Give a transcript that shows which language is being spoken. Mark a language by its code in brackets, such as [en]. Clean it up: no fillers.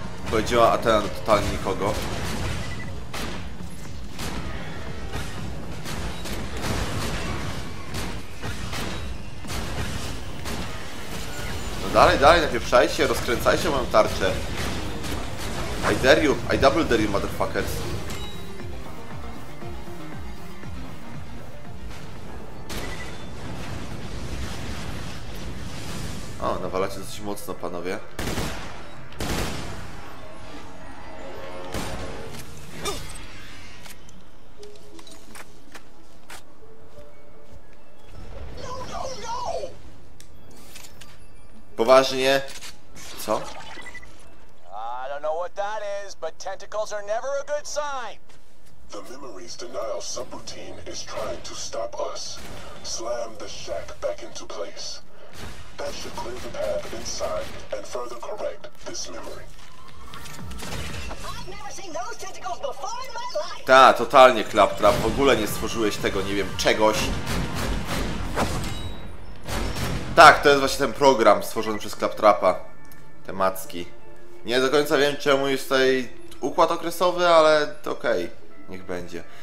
[pl] Powiedziała Athena totalnie nikogo. Dalej, dalej, najpierw rozkręcajcie moją tarczę. [en] I dare you, I double dare you, motherfuckers. [pl] O, nawalacie dosyć mocno, panowie. Poważnie? Co? [en] I don't know what that is, but tentacles are never a good sign. The memory's denial subroutine is trying to stop us. Slam the shack back into place. That should clear the path inside and further correct this memory. I've never seen those tentacles before in my life. [pl] Ta, totalnie, Claptrap. W ogóle nie stworzyłeś tego, nie wiem, czegoś. Tak, to jest właśnie ten program stworzony przez Claptrapa. Te macki. Nie do końca wiem, czemu jest tutaj układ okresowy, ale okej, niech będzie.